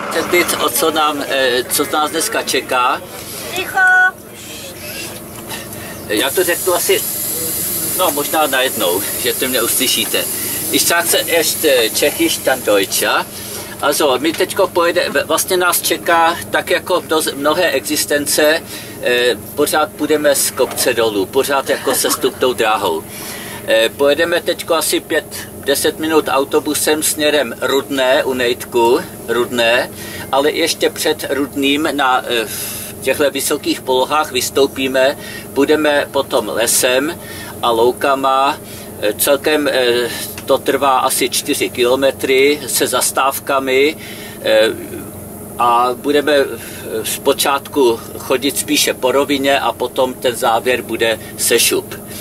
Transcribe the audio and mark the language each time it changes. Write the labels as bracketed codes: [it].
[cs] Teď, o co nám, co z nás dneska čeká. Ticho! Já to řeknu asi, no možná najednou, že to mě uslyšíte. [de] Ich sage erst Tschechisch, dann Deutsch, ja? [cs] Also, my teď pojede, vlastně nás čeká, tak jako mnohé existence, pořád půjdeme z kopce dolů, pořád jako se stupnou dráhou. Pojedeme teď asi 5-10 minut autobusem směrem Rudné u Nejtku, Rudné, ale ještě před Rudným na těchto vysokých polohách vystoupíme, budeme potom lesem a loukama, celkem to trvá asi 4 kilometry se zastávkami a budeme zpočátku chodit spíše po rovině a potom ten závěr bude sešup.